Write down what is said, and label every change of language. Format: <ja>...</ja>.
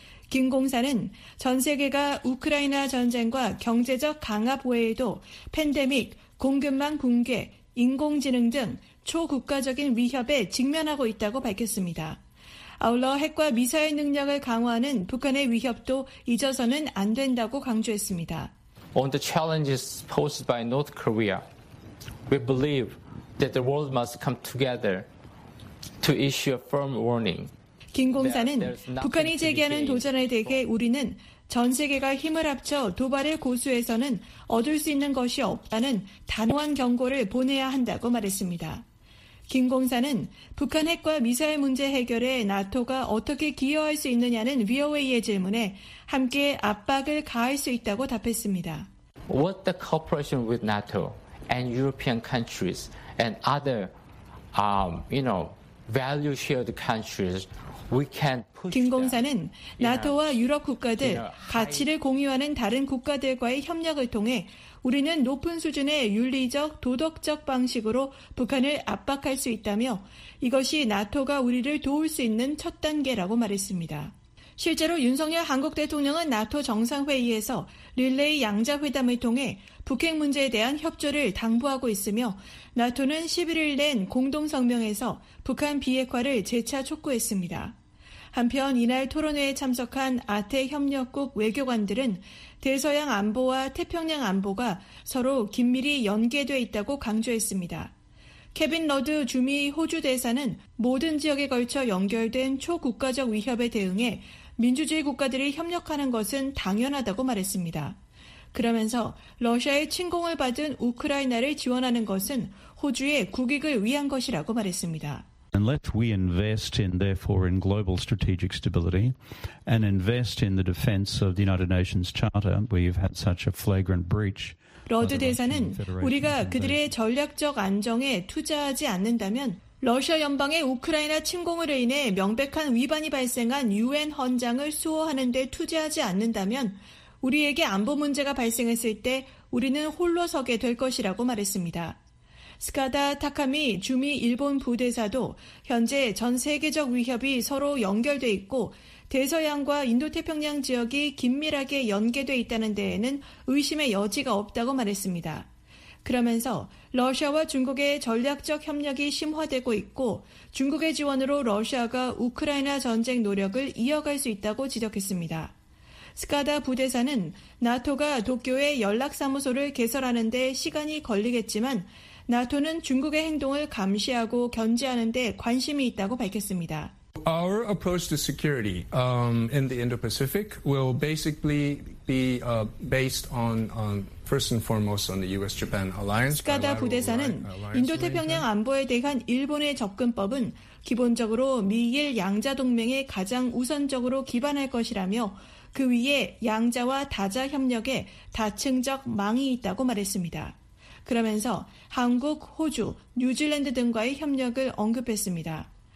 <ko>김 공사는 전 세계가 우크라이나 전쟁과 경제적 강압 외에도 팬데믹, 공급망 붕괴, 인공지능 등 초국가적인 위협에 직면하고 있다고 밝혔습니다. 아울러 핵과 미사일 능력을 강화하는 북한의 위협도 잊어서는 안 된다고 강조했습니다.</ko> <en>On the challenges posed by North Korea, we believe that the world must come together to issue a firm warning.</en> <ko>김 공사는 북한이 제기하는 도전에 대해 우리는 전 세계가 힘을 합쳐 도발을 고수해서는 얻을 수 있는 것이 없다는 단호한 경고를 보내야 한다고 말했습니다. 김 공사는 북한 핵과 미사일 문제 해결에 나토가 어떻게 기여할 수 있느냐는 VOA의 질문에 함께 압박을 가할 수 있다고 답했습니다.</ko> <en>What the cooperation with NATO and European countries and other, value shared countries.</en> <ko>김 공사는 나토와 유럽 국가들, 가치를 공유하는 다른 국가들과의 협력을 통해 우리는 높은 수준의 윤리적, 도덕적 방식으로 북한을 압박할 수 있다며 이것이 나토가 우리를 도울 수 있는 첫 단계라고 말했습니다. 실제로 윤석열 한국 대통령은 나토 정상회의에서 릴레이 양자회담을 통해 북핵 문제에 대한 협조를 당부하고 있으며 나토는 11일 낸 공동성명에서 북한 비핵화를 재차 촉구했습니다. 한편 이날 토론회에 참석한 아태 협력국 외교관들은 대서양 안보와 태평양 안보가 서로 긴밀히 연계돼 있다고 강조했습니다. 케빈 러드 주미 호주 대사는 모든 지역에 걸쳐 연결된 초국가적 위협에 대응해 민주주의 국가들이 협력하는 것은 당연하다고 말했습니다. 그러면서 러시아의 침공을 받은 우크라이나를 지원하는 것은 호주의 국익을 위한 것이라고 말했습니다.</ko> <en>And let we invest in therefore in global strategic stability and invest in the defense of the United Nations Charter. We've had such a flagrant breach.</en> <ko>러드 대사는 우리가 그들의 전략적 안정에 투자하지 않는다면 러시아 연방의 우크라이나 침공을 인해 명백한 위반이 발생한 유엔 헌장을 수호하는 데 투자하지 않는다면 우리에게 안보 문제가 발생했을 때 우리는 홀로 서게 될 것이라고 말했습니다. 스카다 타카미 주미 일본 부대사도 현재 전 세계적 위협이 서로 연결돼 있고 대서양과 인도태평양 지역이 긴밀하게 연계돼 있다는 데에는 의심의 여지가 없다고 말했습니다. 그러면서 러시아와 중국의 전략적 협력이 심화되고 있고 중국의 지원으로 러시아가 우크라이나 전쟁 노력을 이어갈 수 있다고 지적했습니다. 스카다 부대사는 나토가 도쿄에 연락사무소를 개설하는 데 시간이 걸리겠지만 나토는 중국의 행동을 감시하고 견제하는 데 관심이 있다고 밝혔습니다.</ko> <en>Our approach to security in the Indo-Pacific will basically be based on first and foremost on the U.S.-Japan alliance.</en> <ko>스카다 부대사는 인도태평양 안보에 대한 일본의 접근법은 기본적으로 미일 양자 동맹에 가장 우선적으로 기반할 것이라며 그 위에 양자와 다자 협력에 다층적 망이 있다고 말했습니다. 그러면서 한국, 호주, 뉴질랜드 등과의 협력을 언급했습니다.</ko>